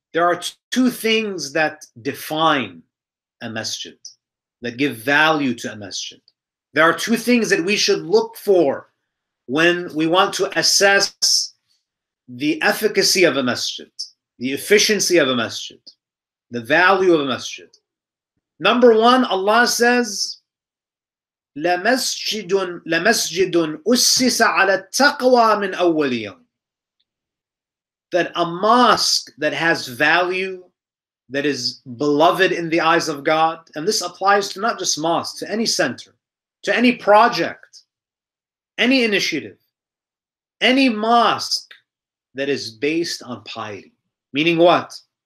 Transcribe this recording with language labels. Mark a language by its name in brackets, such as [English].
[English] There are two things that define a masjid, that give value to a masjid. There are two things that we should look for when we want to assess the efficacy of a masjid, the efficiency of a masjid, the value of a masjid. Number one, Allah says, [Arabic] لَمَسْجِدٌ أُسِّسَ عَلَى التَّقْوَى مِنْ أَوَّلِ يَوْمٍ. [English] That a mosque that has value, that is beloved in the eyes of God, and this applies to not just mosques, to any center, to any project, any initiative, any mosque that is based on piety, meaning what?